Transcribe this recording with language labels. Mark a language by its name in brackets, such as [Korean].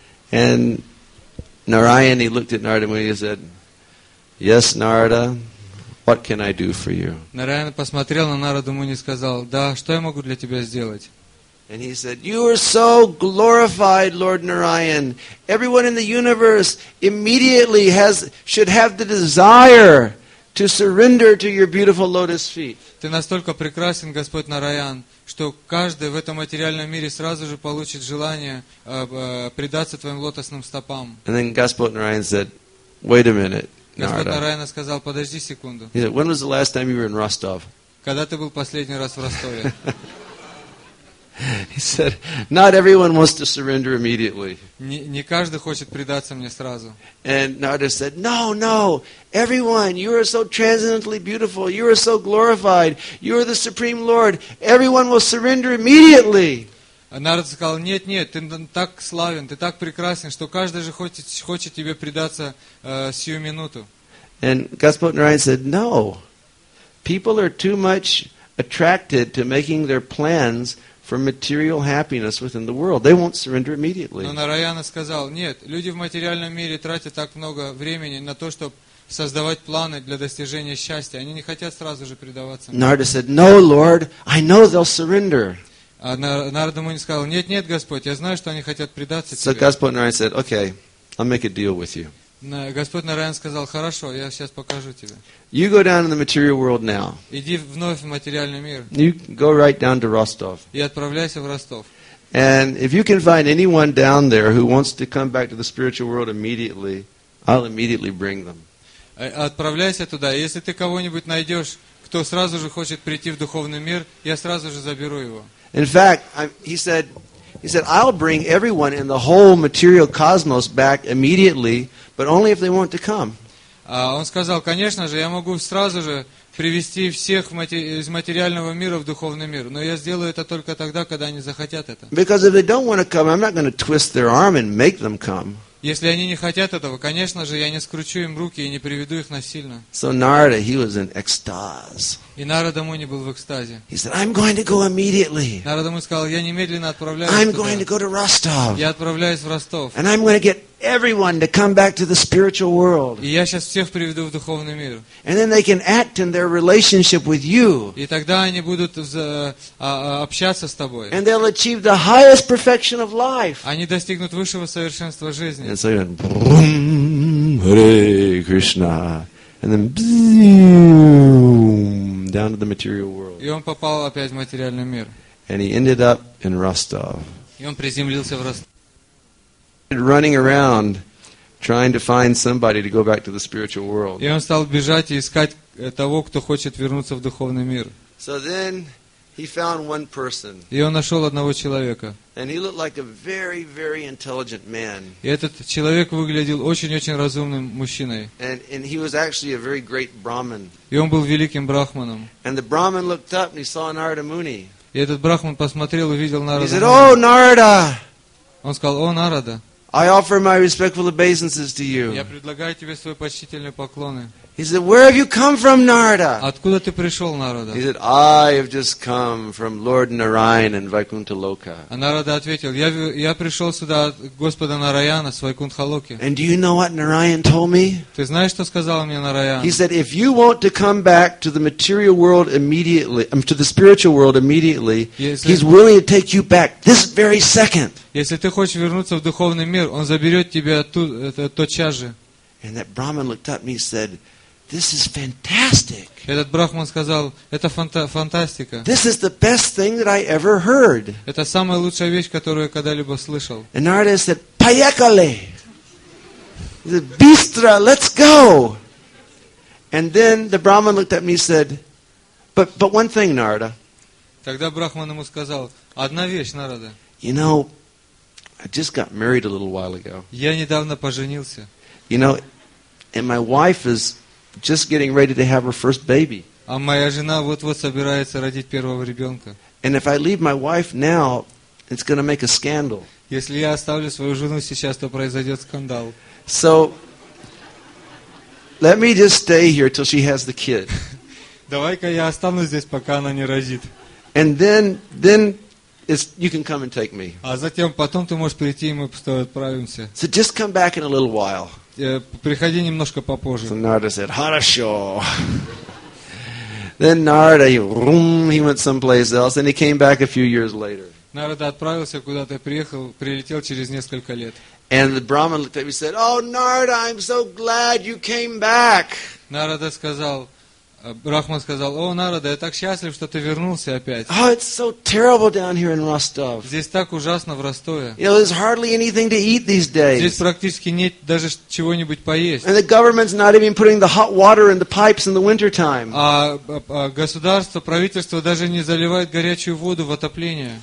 [English] And Narayan, he looked at Narada Muni and said, yes, Narada, what can I do for you? [Russian] Narayan посмотрел на Нараду Муни и сказал, да, что я могу для тебя сделать? [English] And he said, you are so glorified, Lord Narayan. Everyone in the universe immediately should have the desire to surrender to your beautiful lotus feet. [Russian] Ты настолько прекрасен, Господь Нараян, что каждый в этом материальном мире сразу же получит желание предаться твоим лотосным стопам. [English] And then Господь Нараян said, wait a minute, Narada. [Russian] Господь Нараян сказал, подожди секунду. [English] He said, when was the last time you were in Rostov? [Russian] Когда ты был последний раз в Ростове? [English] He said, not everyone wants to surrender immediately. [Russian] Не каждый хочет предаться мне сразу. [English] And Narada said, no, no, everyone, you are so transcendently beautiful, you are so glorified, you are the Supreme Lord, everyone will surrender immediately. [Russian] Нарада сказал, нет, нет, ты так славен, ты так прекрасен, что каждый же хочет тебе предаться сию минуту. [English] And Господь Нараян said, no, people are too much attracted to making their plans for material happiness within the world. They won't surrender immediately. [Russian] Но Нараяна сказал, нет, люди в материальном мире тратят так много времени на то, чтобы создавать планы для достижения счастья. Они не хотят сразу же предаваться. [English] Нарада said, no, Lord, I know they'll surrender. [Russian] А Нарада Муни сказал, нет, нет, Господь, я знаю, что они хотят предаться тебе. [English] So Господь Нараян said, okay, I'll make a deal with you. [Russian] Господь Нараян сказал, хорошо, я сейчас покажу тебе. [English] You go down in the material world now. [Russian] Иди вновь в материальный мир. [English] You go right down to Rostov. [Russian] И отправляйся в Ростов. [English] And if you can find anyone down there who wants to come back to the spiritual world immediately, I'll immediately bring them. [Russian] Отправляйся туда. Если ты кого-нибудь найдешь, кто сразу же хочет прийти в духовный мир, я сразу же заберу его. [English] In fact, he said, I'll bring everyone in the whole material cosmos back immediately, but only if they want to come. [Russian] Он сказал, конечно же, я могу сразу же привести всех из материального мира в духовный мир, но я сделаю это только тогда, когда они захотят это. [English] Because if they don't want to come, I'm not going to twist their arm and make them come. [Russian] Если они не хотят этого, конечно же, я не скручу им руки и не приведу их насильно. [English] So Narada, he was in ecstasy. [Russian] И Нарада Муни был в экстазе. [English] He said, I'm going to go immediately. [Russian] Нарада Муни сказал, я немедленно отправляюсь туда. [English] I'm going to go to Rostov. [Russian] Я отправляюсь в Ростов. [English] And I'm going to get everyone to come back to the spiritual world. [Russian] И я сейчас всех приведу в духовный мир. [English] And then they can act in their relationship with you. [Russian] И тогда они будут общаться с тобой. [English] And they'll achieve the highest perfection of life. [Russian] Они достигнут высшего совершенства жизни. [English] And so you're going, Hare Krishna. And then, boom, down to the material world. [Russian] И он попал опять в материальный мир. [English] And he ended up in Rostov. [Russian] И он приземлился в Ростове. [English] Running around, trying to find somebody to go back to the spiritual world. [Russian] И он стал бежать и искать того, кто хочет вернуться в духовный мир. [English] So then he found one person. [Russian] И он нашел одного человека. [English] And he looked like a very, very intelligent man. [Russian] И этот человек выглядел очень-очень разумным мужчиной. [English] And he was actually a very great Brahmin. [Russian] И он был великим брахманом. [English] And the Brahmin looked up and he saw Narada Muni. [Russian] И этот брахман посмотрел и увидел Нараду. [English] He said, "Oh, Narada!" [Russian] Он сказал, о, Нарада, [English] I offer my respectful obeisances to you. [Russian] Я предлагаю тебе свои почтительные поклоны. [English] He said, where have you come from, Narada? [Russian] Откуда ты пришел, Нарада? [English] He said, I have just come from Lord Narayan and Vaikuntha Loka. [Russian] А Нарада ответил, я пришел сюда от Господа Нараяна с Вайкунтха Локи. [English] And do you know what Narayan told me? [Russian] Ты знаешь, что сказал мне Нараян? [English] He said, if you want to come back to the material world immediately, to the spiritual world immediately, he's willing to take you back this very second. [Russian] Если ты хочешь вернуться в духовный мир, он заберет тебя тотчас же. [English] And that Brahmin looked up and he said, this is fantastic. [Russian] Этот брахман сказал, это фантастика. [English] This is the best thing that I ever heard. [Russian] Это самая лучшая вещь, которую я когда-либо слышал. [English] And Narada said, [Russian] поехали. [English] He said, [Russian] быстро, [English] let's go. And then the Brahmin looked up and he said, but one thing, Narada. [Russian] Тогда брахман ему сказал, одна вещь, Нарада. [English] You know, I just got married a little while ago. [Russian] Я недавно поженился. [English] You know, and my wife is just getting ready to have her first baby. [Russian] А моя жена вот-вот собирается родить первого ребенка. [English] And if I leave my wife now, it's going to make a scandal. [Russian] Если я оставлю свою жену сейчас, то произойдет скандал. [English] So, let me just stay here till she has the kid. [Russian] Давай-ка я останусь здесь, пока она не родит. [English] And then you can come and take me. [Russian] А затем потом ты можешь прийти, и мы просто отправимся. [English] So just come back in a little while. [Russian] Приходи немножко попозже. [English] So Narada said, [Russian] хорошо. [English] Then Narada, he went someplace else, and he came back a few years later. [Russian] Narada отправился куда-то, приехал, прилетел через несколько лет. [English] And the Brahman looked at me and said, "Oh, Narada, I'm so glad you came back." [Russian] Narada сказал, Брахман сказал, "О, Нарада, я так счастлив, что ты вернулся опять." [English] Oh, it's so terrible down here in Rostov. [Russian] Здесь так ужасно в Ростове. [English] You know, there's hardly anything to eat these days. [Russian] Здесь практически нет даже чего-нибудь поесть. [English] And the government's not even putting the hot water in the pipes in the winter time. [Russian] А государство, правительство даже не заливает горячую воду в отопление.